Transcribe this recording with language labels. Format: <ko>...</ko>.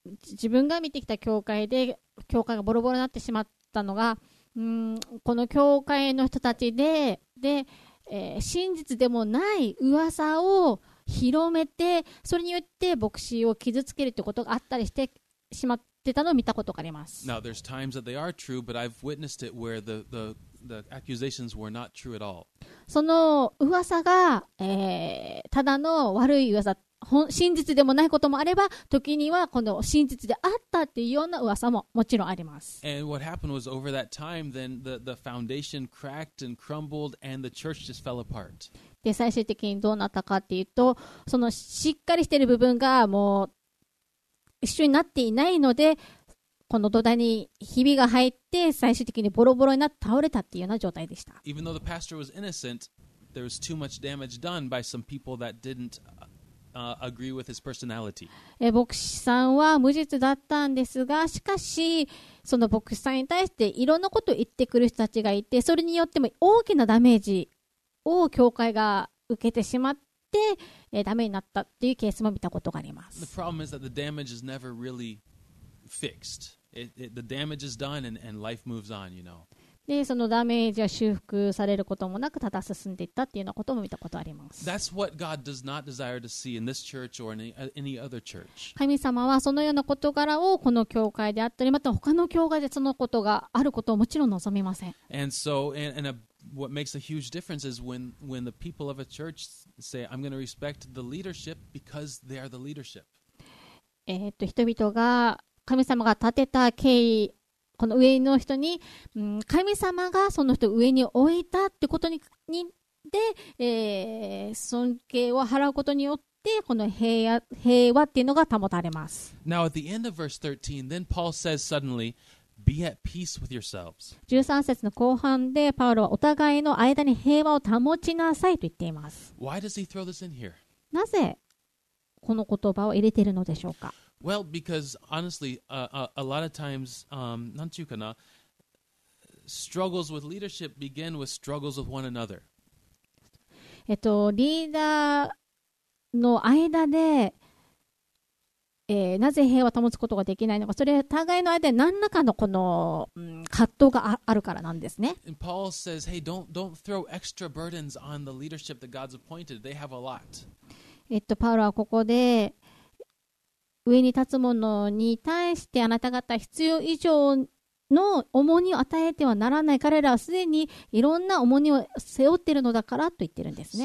<ja>自分が見てきた教会で教会がボロボロになってしまったのが、この教会の人たちで、真実でもない噂を広めてそれによって牧師を傷つけるということがあったりしてしまってたのを見たことがあります。</ja> <en>Now there's times that they are true, but I've witnessed it where the accusations were not true at all.</en> <ja>その噂が、ただの悪い噂、真実でもないこともあれば時にはこの真実であったっていうような噂ももちろんあります。</ja> <en>And what happened was over that time then the foundation cracked and crumbled and the church just fell apart.</en> <ja>で最終的にどうなったかっていうとそのしっかりしている部分がもう一緒になっていないのでこの土台にひびが入って最終的にボロボロになって倒れたっていうような状態でした。</ja> <en>Even though the pastor was innocent, there was too much damage done by some people that didn'tagree with his personality.</en> <ja>牧師さんは無実だったんですが、しかしその牧師さんに対していろんなことを言ってくる人たちがいて、それによっても大きなダメージを教会が受けてしまって、ダメになったっていうケースも見たことがあります。</ja> <en>The problem is that the damage is never really fixed. The damage is done and life moves on, you know.</en> <ja>でそのダメージは修復されることもなくただ進んでいったっていうようなことも見たことあります。</ja> <en>That's what God does not desire to see in this church or any other church.</en> <ja>神様はそのような事柄をこの教会であったりまた他の教会でそのことがあることをもちろん望みません。</ja> <en>And so and what makes a huge difference is when the people of a church say I'm going to respect the leadership because they are the leadership.</en> <ja>人々が神様が立てた敬意この上の人に、神様がその人を上に置いたってことにで、尊敬を払うことによってこの平和っていうのが保たれます。</ja> <en>Now at the end of verse 13, then Paul says suddenly, "Be at peace with yourselves."</en> <ja>13節の後半でパウロはお互いの間に平和を保ちなさいと言っています。</ja> <en>Why does he throw this in here?</en> <ja>なぜこの言葉を入れているのでしょうか。</ja> <en>Well, because honestly, a lot of times,</en> <ja>nanchukana,</ja> <en>struggles with leadership begin with struggles with one another.</en> <ja>リーダーの間で、なぜ平和を保つことができないのか、それは互いの間で何らかのこの、葛藤が あるからなんですね。</ja> <en>And Paul says, hey, don't throw extra burdens on the leadership that God's appointed. They have a lot.</en> <ja>パウロはここで、上に立つ者に対してあなた方必要以上の重荷を与えてはならない。彼らはすでにいろんな重荷を背負っているのだからと言ってるんですね。</ja>